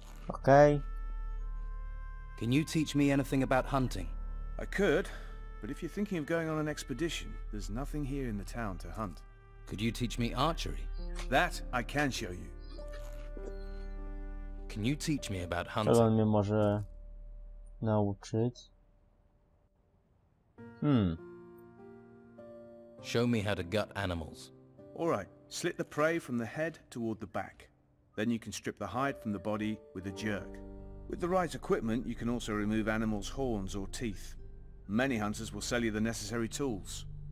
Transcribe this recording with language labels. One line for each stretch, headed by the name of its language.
English: Okay. Can you teach me anything about hunting? I could, but if you're thinking of going on an expedition, there's nothing here in the town to hunt. Could you teach me archery? That I can show you. Can you teach me about hunting?
Polish: Czego on mnie może nauczyć?
English: Show me how to gut animals. All right, slit the prey from the head toward the back. Then you can strip the hide from the body with a jerk. With the right equipment, you can also remove animals' horns or teeth. Many hunters will sell you the necessary tools.